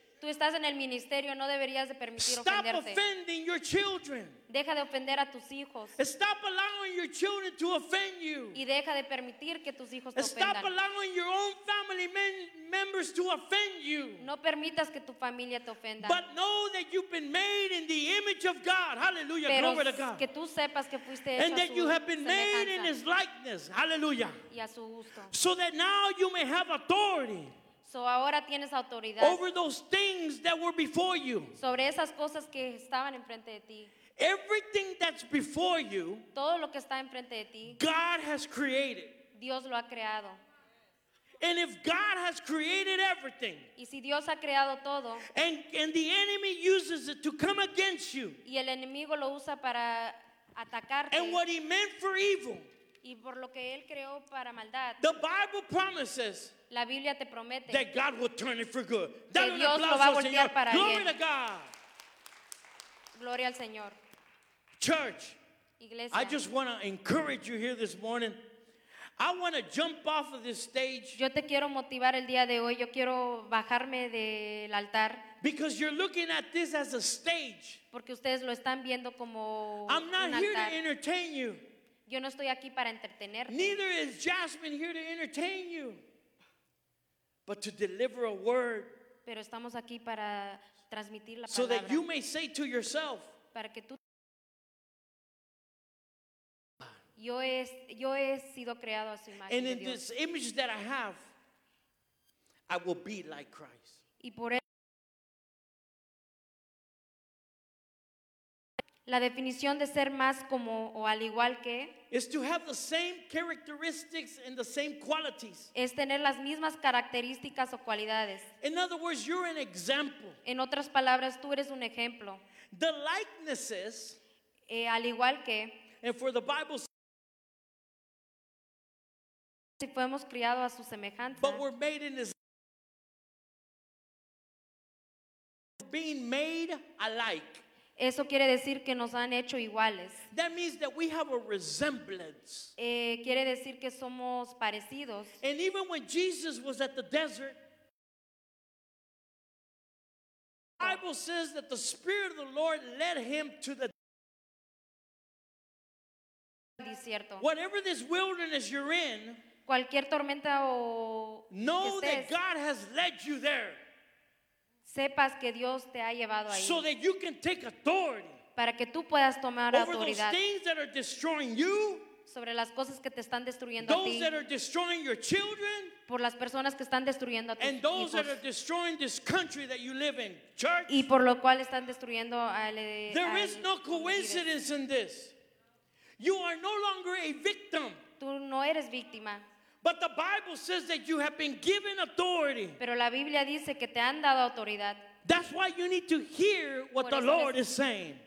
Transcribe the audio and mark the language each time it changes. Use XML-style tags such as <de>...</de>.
<es>Tú estás en el ministerio, no deberías de permitir ofenderte.</es> <en>Stop offending your children.</en> <es>Deja de ofender a tus hijos.</es> <en>Stop allowing your children to offend you.</en> <es>Y deja de permitir que tus hijos te ofendan.</es> <en>Stop allowing your own family members to offend you.</en> <es>No permitas que tu familia te ofenda.</es> <en>But know that you've been made in the image of God. Hallelujah.</en> <es>Pero</es> <en>glory to God.</en> <es>Que tú sepas que fuiste hecho a su</es> <en>And that you have been made in his likeness. Hallelujah.</en> <es>Y a su gusto.</es> <en>So that now you may have authority.</en> <es>So ahora tienes autoridad.</es> <en>Over those things that were before you.</en> <es>Sobre esas cosas que estaban enfrente de ti.</es> <en>Everything that's before you.</en> <es>Todo lo que está enfrente de ti.</es> <en>God has created.</en> <es>Dios lo ha creado.</es> <en>And if God has created everything.</en> <es>Y si Dios ha creado todo.</es> <en>And the enemy uses it to come against you.</en> <es>Y el enemigo lo usa para atacarte.</es> <en>And what he meant for evil.</en> <es>Y por lo que él creó para maldad.</es> <en>The Bible promises.</en> <es>La Biblia te promete</es> <en>that God will turn it for good.</en> <es>Que Dios lo va a voltear para bien.</es> <en>Glory to God.</en> <es>Gloria al Señor.</es> <en>Church,</en> <es>Iglesia.</es> <en>I just want to encourage you here this morning. I want to jump off of this stage.</en> <es>Yo te quiero motivar el día de hoy. Yo quiero bajarme del altar.</es> <en>Because you're looking at this as a stage.</en> <es>Porque ustedes lo están viendo como un altar.</es> <en>I'm not here to entertain you.</en> <es>Yo no estoy aquí para entretenerte.</es> <en>Neither is Jasmine here to entertain you. But to deliver a word.</en> <es>Pero estamos aquí para transmitir la palabra.</es> <en>So that you may say to yourself.</en> <es>Para que tú. Yo he sido creado a su imagen.</es> <en>And in this image that I have, I will be like Christ.</en> <es>Y por eso. La definición de ser más como o al igual que</es> <en>is to have the same characteristics and the same qualities.</en> <es>Es tener las mismas características o cualidades.</es> <en>In other words, you're an example.</en> <es>En otras palabras, tú eres un ejemplo.</es> <en>The likenesses</en> <es>al igual que</es> <en>and for the Bible</en> <es>si fuimos criados a su semejanza</es> <en>but we're made in his being made alike.</en> <es>Eso quiere decir que nos han hecho iguales.</es> <en>That means that we have a resemblance.</en> <es>Quiere decir que somos parecidos.</es> <en>And even when Jesus was at the desert, the Bible says that the Spirit of the Lord led him to the desert. Whatever this wilderness you're in,</en> <es>cualquier tormenta o</es> <en>know</en> <es>estés.</es> <en>That God has led you there.</en> <es>Sepas que Dios te ha llevado ahí.</es> <en>So that you can take authority.</en> <es>Para que tú puedas tomar</es> <en>over</en> <es>autoridad.</es> <en>Over those things that are destroying you.</en> <es>Sobre las cosas que te están destruyendo</es> <en>those</en> <es>a ti.</es> <en>Those that are destroying your children.</en> <es>Por las personas que están destruyendo a tus</es> <en>and</en> <es>hijos.</es> <en>And those that are destroying this country that you live in. Church.</en> <es>Y por lo cual están destruyendo al</es> <en>there is no coincidence in this. You are no longer a victim.</en> <es>Tú no eres víctima.</es> <en>But the Bible says that you have been given authority.</en> <es>Pero la Biblia dice que te han dado autoridad.</es> <en>That's why you need to hear what the Lord is saying.</en>